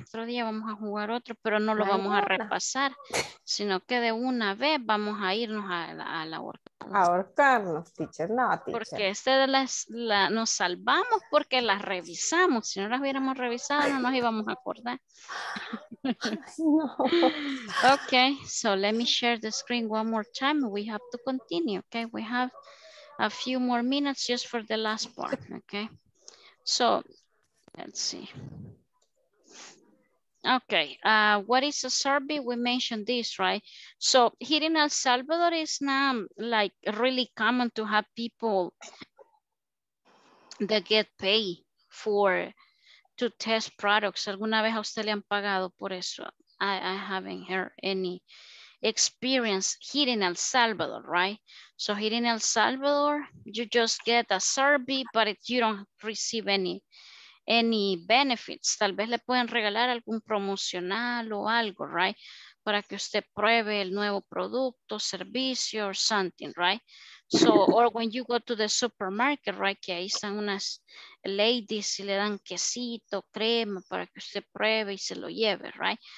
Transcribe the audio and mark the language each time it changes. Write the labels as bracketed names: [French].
[Spanish] Otro día vamos a jugar otro, pero no lo vamos a repasar, sino que de una vez vamos a irnos a la horca. Ahorcarnos, teacher, no, teacher. Porque este de las la, nos salvamos porque las revisamos. Si no las hubiéramos revisado, no nos íbamos a acordar. No. [English] Okay, so let me share the screen one more time. We have to continue. Okay, we have a few more minutes just for the last part. Okay, so let's see. Okay, what is a survey? We mentioned this, right? So here in El Salvador, it's now like really common to have people that get paid for to test products. [Spanish] ¿Alguna vez a usted le han pagado por eso? [English] I haven't heard any experience here in El Salvador, right? So here in El Salvador, you just get a survey, but it, you don't receive any benefits. [Spanish] Tal vez le pueden regalar algún promocional o algo, right? Para que usted pruebe el nuevo producto, servicio, [English] or something, [Spanish] right? [English] So, or when you go to the supermarket, right? [Spanish] Que ahí están unas ladies y le dan quesito, crema, para que usted pruebe y se lo lleve, right?